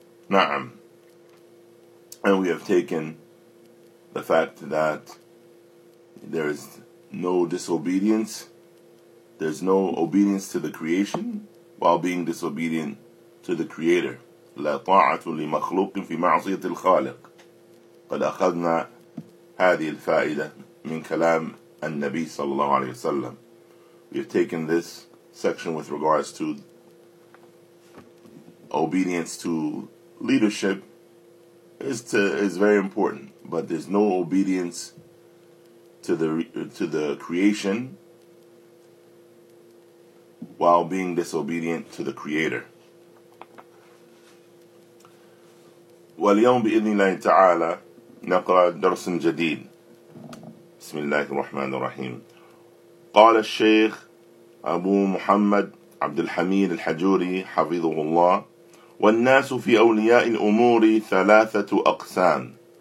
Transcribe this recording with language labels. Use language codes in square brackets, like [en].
[ar] نعم. [en] And we have taken the fact that there is no disobedience, there's no obedience to the creation while being disobedient to the Creator. [ar] لا طاعة لمخلوق في معصية الخالق. قد أخذنا هذه الفائدة من كلام النبي صلى الله عليه وسلم. [en] We have taken this section with regards to obedience to leadership is very important, but there's no obedience to the creation while being disobedient to the Creator. [ar] واليوم بإذن الله تعالى نقرأ درس جديد. بسم الله الرحمن الرحيم. قال الشيخ أبو محمد عبد الحميد الحجوري حفظه الله: والناس في أولياء الأمور ثلاثة أقسام.